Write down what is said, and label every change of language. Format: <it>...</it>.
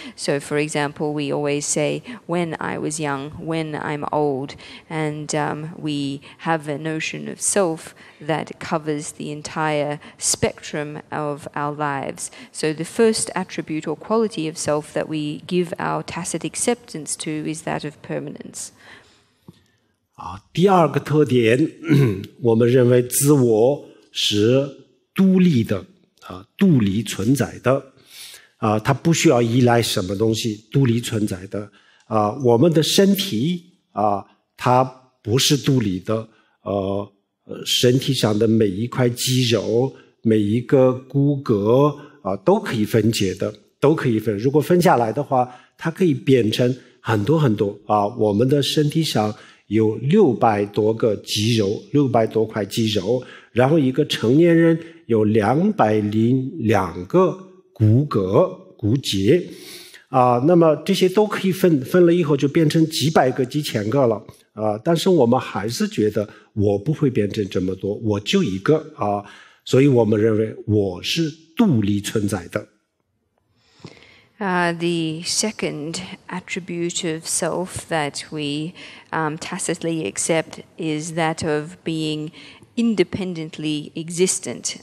<en>So, for example, we always say, when I was young, when I'm old, and we have a notion of self that covers the entire spectrum of our lives. So the first attribute or quality of self that we give our tacit acceptance to is that of permanence.</en> <zh>第二个特点，我们认为自我是独立的，独立存在的，它不需要依赖什么东西，独立存在的，我们的身体，它不是独立的，身体上的每一块肌肉，每一个骨骼，都可以分解的，都可以分，如果分下来的话，它可以变成很多很多，我们的身体上有600多块肌肉，然后一个成年人有202个骨骼骨节，那么这些都可以分了以后就变成几百个几千个了，但是我们还是觉得我不会变成这么多，我就一个，所以我们认为我是独立存在的。</zh> <en>The second attribute of self that we tacitly accept is that of being independently existent.</en>